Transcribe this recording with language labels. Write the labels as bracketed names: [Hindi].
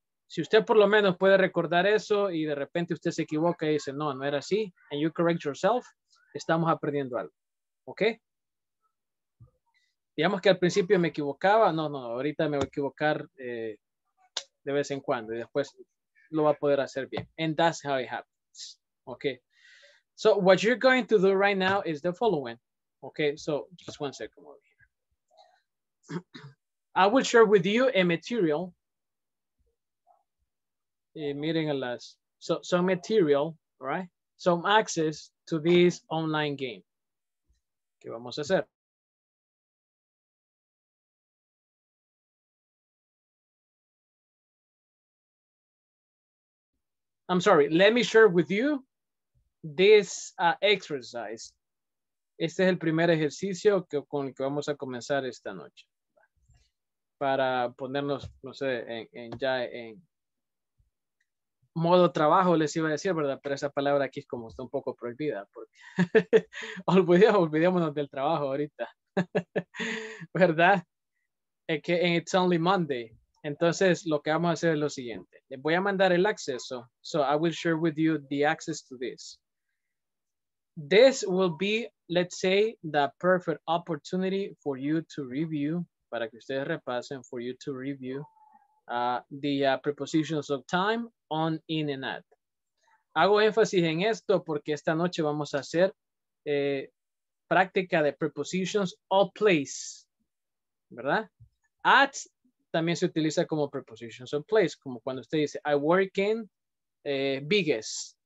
[Spanish] Si usted por lo menos puede recordar eso y de repente usted se equivoca y dice, no, no era así, [English] and you correct yourself, [Spanish] estamos aprendiendo algo. ¿Ok? Digamos que al principio me equivocaba. No, no, ahorita me voy a equivocar de vez en cuando. Y después lo va a poder hacer bien. [English] And that's how it happens. ¿Ok? So what you're going to do right now is the following. ¿Ok? So just one second over here. I will share with you a material. [Spanish] Miren a las, [English] so some material, right? Some access to this online game. [Spanish] ¿Qué vamos a hacer? [English] I'm sorry, let me share with you this exercise. [Spanish] Este es el primer ejercicio que, con el que vamos a comenzar esta noche. Para ponernos, no sé, en modo trabajo, les iba a decir, ¿verdad? Pero esa palabra aquí es como está un poco prohibida. Porque olvidémonos del trabajo ahorita. ¿Verdad? Es que en [English] It's Only Monday. [Spanish] Entonces, lo que vamos a hacer es lo siguiente. Les voy a mandar el acceso. [English] So I will share with you the access to this. This will be, let's say, the perfect opportunity for you to review, [Spanish] para que ustedes repasen, [English] for you to review the prepositions of time on, in, and at. [Spanish] Hago énfasis en esto porque esta noche vamos a hacer práctica de prepositions of place, ¿verdad? At también se utiliza como prepositions of place, como cuando usted dice, [English] I work in biggest.